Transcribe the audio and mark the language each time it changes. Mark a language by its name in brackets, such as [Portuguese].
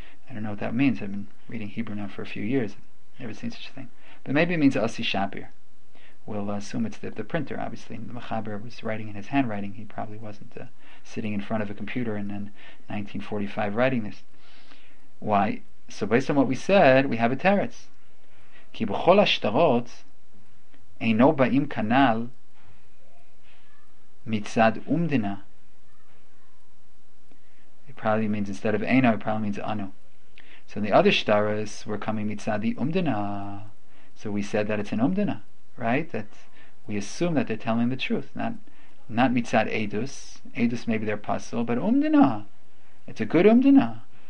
[English] I don't know what that means. I've been reading Hebrew now for a few years. Never seen such a thing. But maybe it means [Hebrew] osi shapir. [English] We'll assume it's the printer. Obviously, the mechaber was writing in his handwriting. He probably wasn't sitting in front of a computer and then 1945 writing this. Why? So based on what we said, we have a teretz. [Hebrew] כי בכל השטרות אינו באים כנל מצד אומדנה. [English] It probably means instead of אינו, it probably means אנו. So the other shtaras were coming mitzad the umdana. So we said that it's an umdana, right? That we assume that they're telling the truth, not mitzad edus. Edus, maybe they're pasul, but umdana. It's a good umdana.